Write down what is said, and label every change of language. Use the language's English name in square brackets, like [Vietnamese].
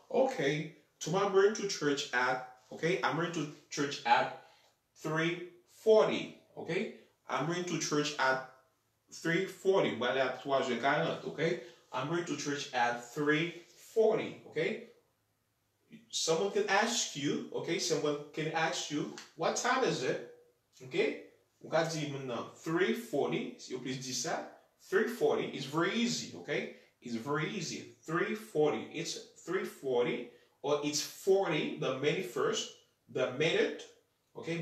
[English] Okay. Tomorrow I'm going to church at, okay? I'm going to church at 3:40. Okay? I'm going to church at 3:40. Well, at 3:40, okay? I'm going to church at 3:40. Okay? Someone can ask you, okay? Someone can ask you, what time is it? Okay? [French] On va dire maintenant 3:40, si vous pouvez dire ça. [English] 3:40, it's very easy, okay? It's very easy. 3:40, it's 3:40, or it's 40, the minute first, the minute, okay?